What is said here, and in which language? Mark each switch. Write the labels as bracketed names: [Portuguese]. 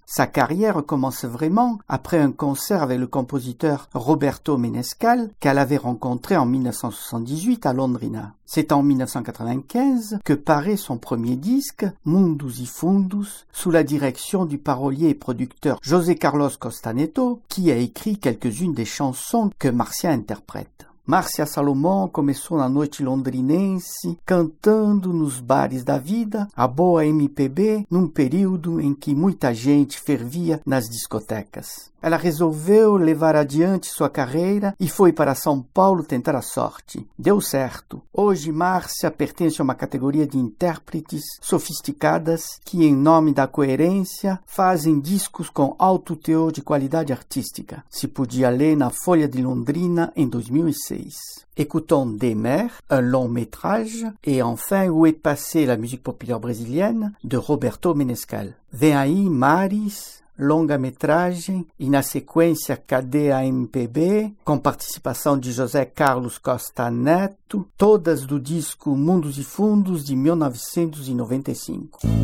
[French] Sa carrière commence vraiment après un concert avec le compositeur Roberto Menescal, qu'elle avait rencontré en 1978 à Londrina. C'est en 1995 que paraît son premier disque, Mundus y Fundus, sous la direction du parolier et producteur José Carlos Costa Neto, qui a écrit quelques-unes des chansons que Márcia interprète. [Portuguese] Márcia Salomão começou na noite londrinense cantando nos bares da vida a boa MPB num período em que muita gente fervia nas discotecas. Ela resolveu levar adiante sua carreira e foi para São Paulo tentar a sorte. Deu certo. Hoje, Márcia pertence a uma categoria de intérpretes sofisticadas que, em nome da coerência, fazem discos com alto teor de qualidade artística. Se podia ler na Folha de Londrina em 2006. [French] Écoutons Des Mers, un long métrage, et enfin Où est passée la musique populaire brésilienne de Roberto Menescal. [Portuguese] Vem aí, Maris. Longa metragem e na sequência Cadeia MPB, com participação de José Carlos Costa Neto, todas do disco Mundos e Fundos de 1995.